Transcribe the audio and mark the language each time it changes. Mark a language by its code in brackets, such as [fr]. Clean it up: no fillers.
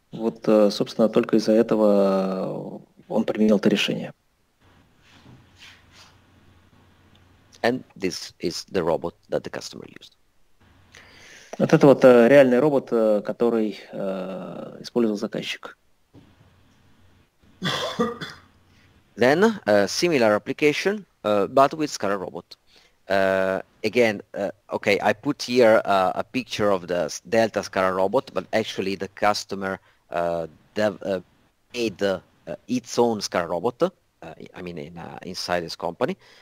[ru] Вот, собственно, только из-за этого он применил это решение. [en] And this is the robot that the customer used. [ru] Вот это вот реальный робот, который использовал заказчик. [en] Then a similar application, but with SCADA robot. Again, okay, I put here a picture of the Delta SCADA robot, but actually the customer made its own SCADA robot. Inside his company.